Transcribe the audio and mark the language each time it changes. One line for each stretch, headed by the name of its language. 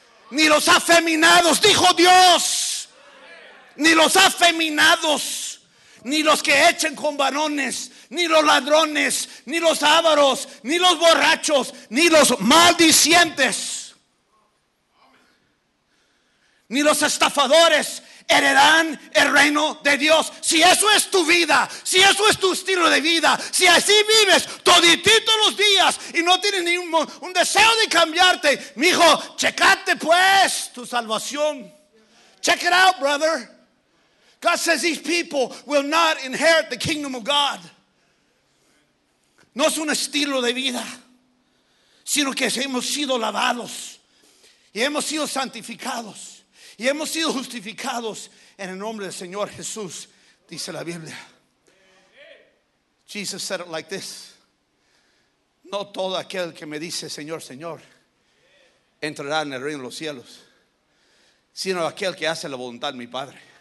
Spanish: Ni los afeminados, dijo Dios. Ni los afeminados, ni los que echen con varones, ni los ladrones, ni los ávaros, ni los borrachos, ni los maldicientes, ni los estafadores heredarán el reino de Dios. Si eso es tu vida, si eso es tu estilo de vida, si así vives toditito los días y no tienes ni un deseo de cambiarte, mi hijo, checate pues tu salvación.
English: Check it out, brother. God says these people will not inherit the kingdom of God.
Spanish: No es un estilo de vida, sino que hemos sido lavados y hemos sido santificados y hemos sido justificados en el nombre del Señor Jesús, dice la Biblia.
English: Jesus said it like this:
Spanish: no todo aquel que me dice Señor, Señor, entrará en el reino de los cielos, sino aquel que hace la voluntad de mi Padre.